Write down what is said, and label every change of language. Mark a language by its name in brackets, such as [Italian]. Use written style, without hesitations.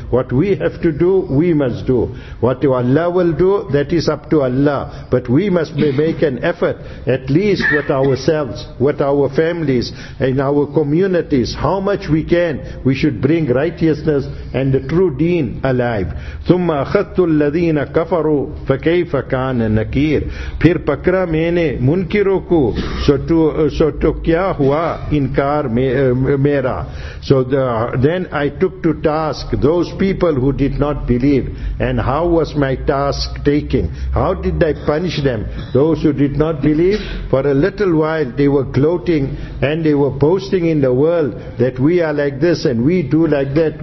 [English] What we have to do, we must do. What Allah will do, that is up to Allah. But we must make an effort, at least with ourselves, with our families, in our communities, how much we can, we should bring righteousness and the true deen alive. [Arabic] ثُمَّ أَخَذْتُ الَّذِينَ كَفَرُوا فَكَيْفَ كَانَ نَكِيرٌ. [Urdu] پھر پکرا میں نے منکروں کو, سو تو کیا ہوا انکار میرا. [English] So then I took to task those people who did not believe. And and how was my task taken? How did I punish them? Those who did not believe, for a little while they were gloating and they were boasting in the world that we are like this and we do like that.